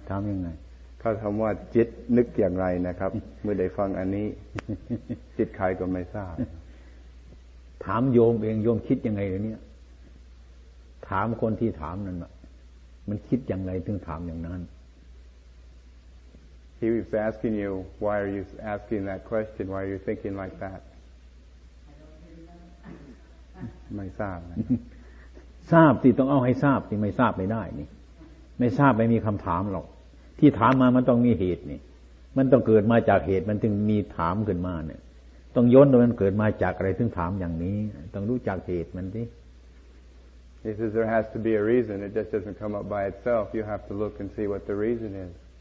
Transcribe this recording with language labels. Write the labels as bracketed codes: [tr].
[th] ถามยังไง เขาถามว่าจิตนึกอย่างไรนะครับเมื่อได้ฟังอันนี้ จิตใครก็ไม่ทราบ ถามโยมเองโยมคิดยังไงเนี่ยถามคนที่ถามนั่นมันคิดอย่างไรถึงถามอย่างนั้น [en] He was asking you why are you asking that question why are you thinking like that [th] ไม่ทราบ ทราบสิต้องเอาให้ทราบสิไม่ทราบไม่ได้นี่ไม่ทราบไม่มีคำถามหรอกที่ถามมามันต้องมีเหตุนี่มันต้องเกิดมาจากเหตุมันถึงมีถามขึ้นมาเนี่ยต้องย้อนดูมันเกิดมาจากอะไรถึงถามอย่างนี้ต้องรู้จักเหตุมันสิ [en] He says there has to be a reason it just doesn't come up by itself you have to look and see what the reason is